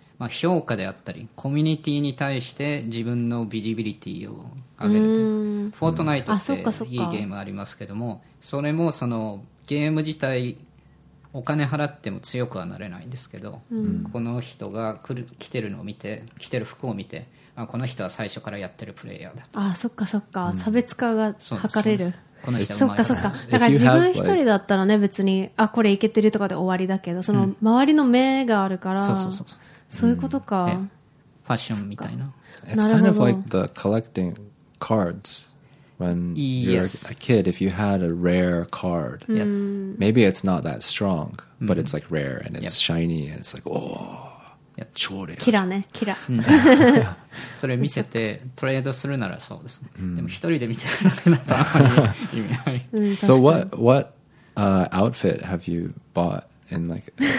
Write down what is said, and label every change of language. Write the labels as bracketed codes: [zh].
[ja] まあ、評価であったりコミュニティに対して自分のビジビリティを上げるという、フォートナイトっていいゲームありますけども、それもそのゲーム自体お金払っても強くはなれないんですけど、この人が来てるのを見て、着てる服を見て、あ、この人は最初からやってるプレイヤーだと、あ、そっかそっか、差別化が図れる、この人はそっかそっか、だから自分一人だったらね別にあこれいけてるとかで終わりだけど、その周りの目があるから、うん、そうそうそうそう、そういうことか、ファッションみたいな、 [en] It's kind of like the collecting cardsWhen you're、 yes. a kid, if you had a rare card,、 yep. maybe it's not that strong,、mm-hmm. but it's like rare and it's、yep. shiny and it's like, oh, yeah, [ja] キラね、キラ。それ見せてトレードするならそうですね。でも一人で見てるだけだとあんまり意味ない。 [en] So what、outfit have you bought in like?